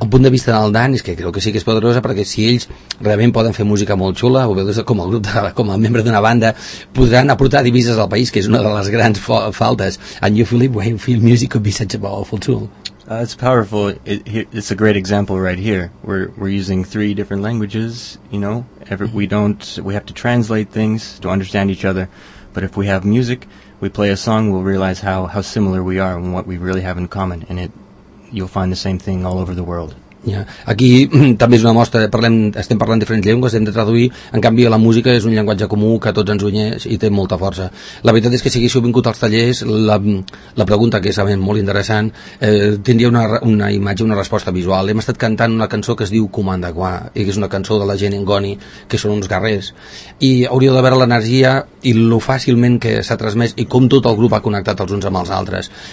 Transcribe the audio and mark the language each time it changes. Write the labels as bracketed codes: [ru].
[ca] El punt de vista del Dan és que crec que sí que és poderosa, perquè si ells realment poden fer música molt xula, o bé com a grup, com a membre d'una banda, podran aportar divises al país, que és una de les grans faltes. [en] And you, Philip, why you feel music could be such a powerful tool? It's powerful. It's a great example right here. We're using three different languages, you know. We have to translate things to understand each other. But if we have music, we play a song, we'll realize how similar we are and what we really have in common, and you'll find the same thing all over the world. Yeah. [ca] Aquí també és una mostra, estem parlant diferents llengües, hem de traduir, en canvi la música és un llenguatge comú que tots ens uneix i té molta força. La veritat és que si haguéssiu vingut als tallers, la pregunta, que és molt interessant, tindria una imatge, una resposta visual. Hem estat cantant una cançó que es diu Comanda Gua, i que és una cançó de la gent Ngoni, que són uns guerrers, i hauríeu de veure l'energia i lo fàcilment que s'ha transmès i com tot el grup ha connectat els uns amb els altres.